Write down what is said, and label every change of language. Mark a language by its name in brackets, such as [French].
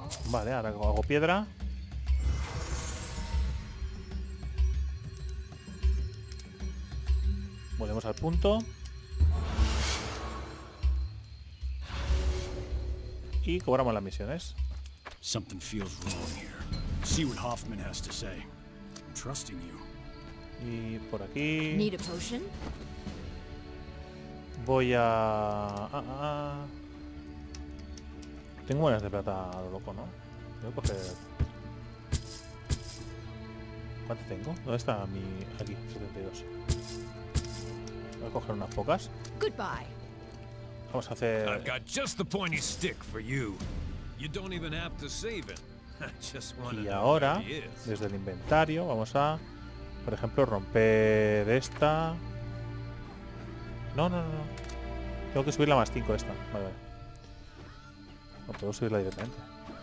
[Spanish] Vale, ahora hago piedra. Volvemos al punto. Y cobramos las misiones. [English] Something feels wrong here. See what Hoffman has to say. I'm trusting you. [Spanish] Y por aquí. [English] Need a potion? [Spanish] Voy a. Tengo monedas de plata a lo loco, ¿no? Voy a coger. ¿Cuánto tengo? ¿Dónde está mi. Aquí, 72? Voy a coger unas pocas. Goodbye. Vamos a hacer. [English] I've got just the pointy stick for you. You don't even have to save it. Just one. [Spanish] Y ahora, desde el inventario, vamos a, por ejemplo, romper esta. No, no, no, no. Tengo que subirla más 5 esta. Vale, vale. No puedo subirla directamente.